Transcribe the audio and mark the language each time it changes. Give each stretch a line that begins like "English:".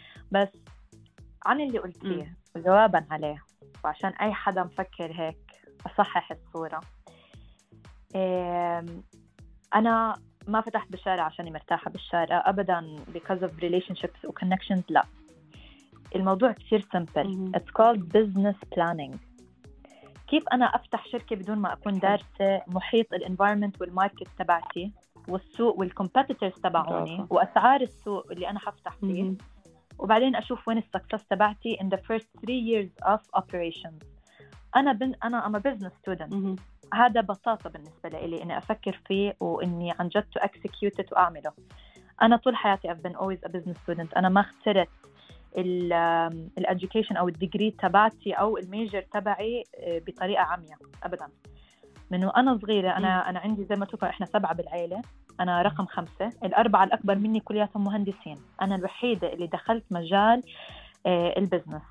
Arabic: بس عن اللي قلتيه جوابا عليه، وعشان أي حدا مفكر هيك أصحح الصورة، أنا ما فتحت بالشارع عشان مرتاحة بالشارع أبدا،
English: because of relationships
Arabic: و connections. لا، الموضوع كتير simple.
English: It's called business planning.
Arabic: كيف أنا أفتح شركة بدون ما أكون دارسة محيط الـ environment والماركت تبعتي والسوق والكمبيتيتورز تبعوني واسعار السوق اللي انا حفتح فيه، وبعدين اشوف وين السكسس تبعتي
English: in the first 3 years of operations. انا I'm a business student.
Arabic: هذا بساطة بالنسبة لي اني افكر فيه واني عن جد
English: to execute it
Arabic: واعمله. انا طول حياتي
English: I've been always a business student.
Arabic: انا ما اخترت ال education او الديجري تبعتي او الميجر تبعي بطريقة عامية ابدا. من وأنا صغيرة أنا عندي زي ما تقول إحنا سبعة بالعيلة، أنا رقم خمسة، الأربعة الأكبر مني كلياتهم مهندسين، أنا الوحيدة اللي دخلت مجال البزنس.